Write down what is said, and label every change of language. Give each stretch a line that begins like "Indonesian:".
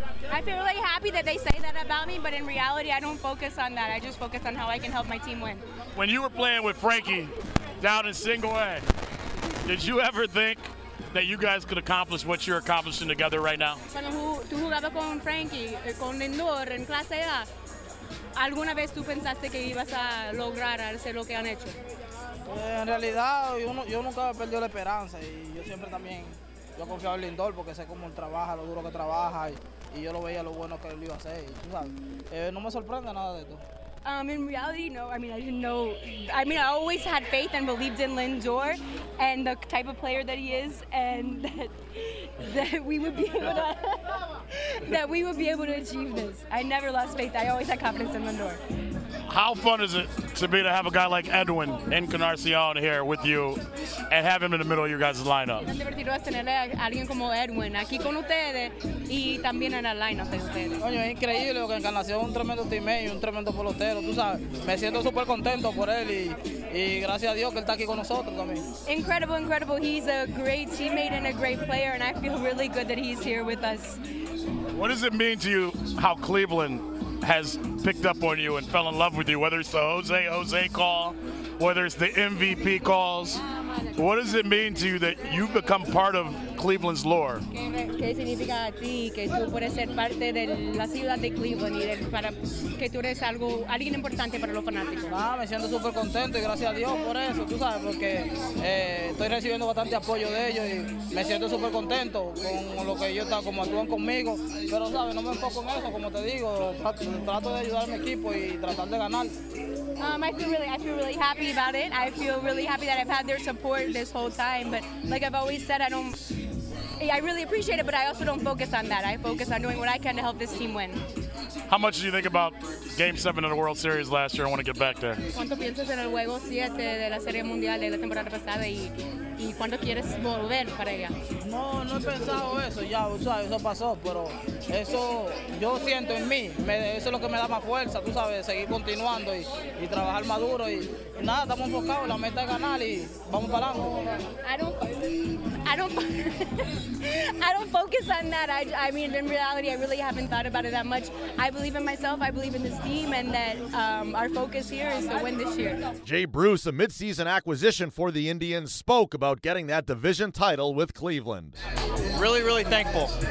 English: I feel really happy that they say that about me, but in reality, I don't focus on that. I just focus on how I can help my team win. When you were playing with Frankie down in single A, did you ever think that you guys could accomplish what you're accomplishing together right now?
Spanish: Tú jugabas con Frankie, con Lindor, en clase A. ¿Alguna vez tú pensaste que ibas a lograr hacer lo que han hecho? En realidad, yo nunca he perdido la esperanza. Y yo siempre también, yo confiaba en Lindor porque sé cómo él trabaja, lo duro que trabaja. Y yo lo veía lo bueno que él iba a hacer. Y tú sabes, no me sorprende nada de esto.
English: In reality, no. I mean, I didn't know. I mean, I always had faith and believed in Lindor and the type of player that he is, and that we would be able to achieve this. I never lost faith. I always had confidence in Lindor. How fun is it to be to have a guy like Edwin Encarnacion here with you and have him in the middle of your guys' lineup?
Spanish: Es divertido tener a alguien como Edwin aquí con ustedes y también en la lineup de ustedes. Coño, es increíble que Encarnacion es un tremendo teammate y un tremendo pelotero, tú sabes. Me siento súper contento por él y gracias a Dios que él está aquí con nosotros también.
English: Incredible, incredible. He's a great teammate and a great player, and I feel really good that he's here with us. What does it mean to you how Cleveland has picked up on you and fell in love with you, whether it's the Jose call, whether it's the MVP calls? What does it mean to you that you've become part of Cleveland's lore?
Spanish: ¿Qué significa a ti que tú puedes ser parte de la ciudad de Cleveland y para que tú eres algo alguien importante para los fanáticos? Ah, me siento súper contento y gracias a Dios por eso, tú sabes, porque estoy recibiendo bastante apoyo de ellos y me siento súper contento con lo que ellos están, como actúan conmigo, pero sabes, no me enfoco en eso, como te digo, trato de ayudar a mi equipo y tratar de ganar.
English: I feel really happy about it. I feel really happy that I've had their support this whole time. But like I've always said, I really appreciate it, but I also don't focus on that. I focus on doing what I can to help this team win. How much do you think about Game 7 of the World Series last year? I want to get back there.
Spanish: ¿Cuánto piensas en el juego 7 de la Serie Mundial de la temporada pasada y cuándo quieres volver para allá? No he pensado eso. Ya, o sea, eso pasó, pero eso yo siento en mí. Eso es lo que me da más fuerza, tú sabes, seguir continuando y trabajar más duro y nada, estamos enfocados, la meta es ganar y vamos para adelante.
English: I don't focus on that. I mean, in reality, I really haven't thought about it that much. I believe in myself. I believe in this team, and that our focus here is to win this year. Jay Bruce, a midseason acquisition for the Indians, spoke about getting that division title with Cleveland. Really, really thankful.